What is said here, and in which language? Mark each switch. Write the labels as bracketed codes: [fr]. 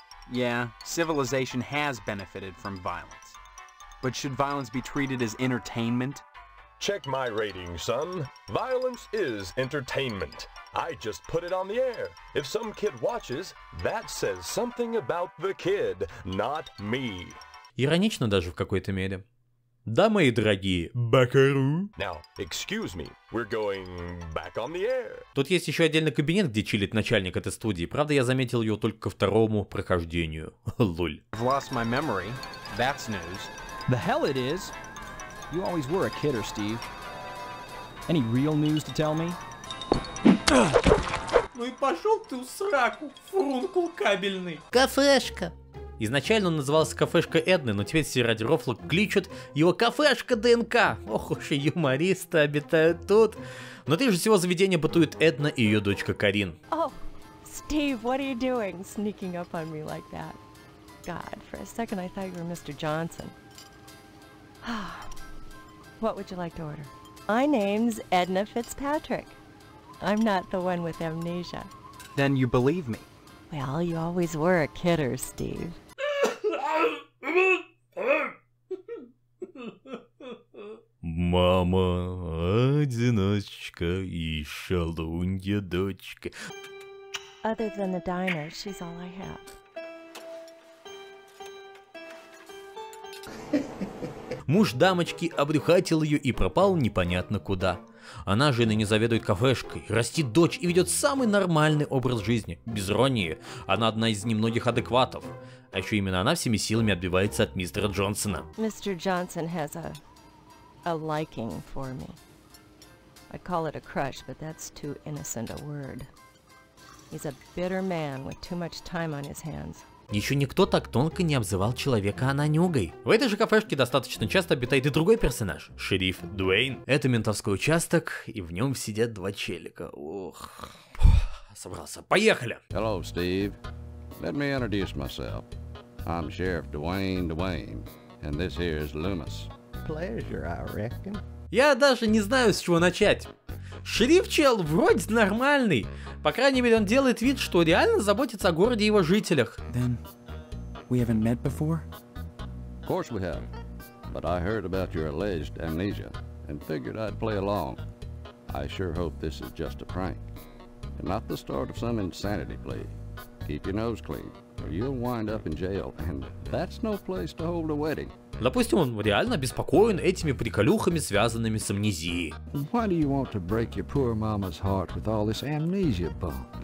[en] Yeah, civilization has benefited from violence. But should violence be treated as entertainment? Check my rating, son. Violence is entertainment. I just put it on the air. If some kid watches, that says something about the kid, not me. [ru] Иронично даже в какой-то мере. Да, мои дорогие, Бакару. [en] Now, excuse me, we're going back on the air. [ru] Тут есть еще отдельный кабинет, где чилит начальник этой студии. Правда, я заметил ее только ко второму прохождению. Луль. [en] I've lost my memory. That's news. The hell it is. You always were a kidder, Steve. Any real news to tell me? [ru] Ну и пошел ты в сраку, фрункул кабельный. Кафешка. Изначально он назывался «Кафешка Эдны», но теперь все ради рофла кличут его «Кафешка ДНК». Ох уж и юмористы обитают тут. Внутри же всего заведения бытует Эдна и ее дочка Карин. [en] Oh, Steve, what are you doing, sneaking up on me like that? God, for a second I thought you were Mr. Johnson. What would you like to order? My name's Edna Fitzpatrick. I'm not the one with amnesia. Then you believe me. Well, you always were a kidder, Steve. [ru] Мама, одиночка и шалунья дочка. [en] Other than the diner, she's all I have. [ru] Муж дамочки обрюхатил ее и пропал непонятно куда. Она же и не заведует кафешкой, растит дочь и ведет самый нормальный образ жизни. Без иронии, она одна из немногих адекватов. А еще именно она всеми силами отбивается от мистера Джонсона. [en] Мистер Джонсон has a liking for me. I call it a crush, but that's too innocent a word. He's a bitter man with too much time on his hands. [ru] Еще никто так тонко не обзывал человека ананюгой. В этой же кафешке достаточно часто обитает и другой персонаж, шериф Дуэйн. Это ментовской участок, и в нем сидят два челика. Ох, собрался, поехали! [en] Hello, Steve. Let me introduce myself. I'm Sheriff Dwayne Dwayne, and this here is Loomis. Pleasure, I reckon. [ru] Я даже не знаю, с чего начать. Шериф чел вроде нормальный. По крайней мере, он делает вид, что реально заботится о городе и его жителях. [en] Then, we haven't met before? Of course we have. But I heard about your alleged amnesia, and figured I'd play along. I sure hope this is just a prank. And not the start of some insanity plea. Keep your nose clean, or you'll wind up in jail, and that's no place to hold a wedding. [ru] Допустим, он реально обеспокоен этими приколюхами, связанными с амнезией. [en] Why do you want to break your poor mama's heart with all this amnesia bunk?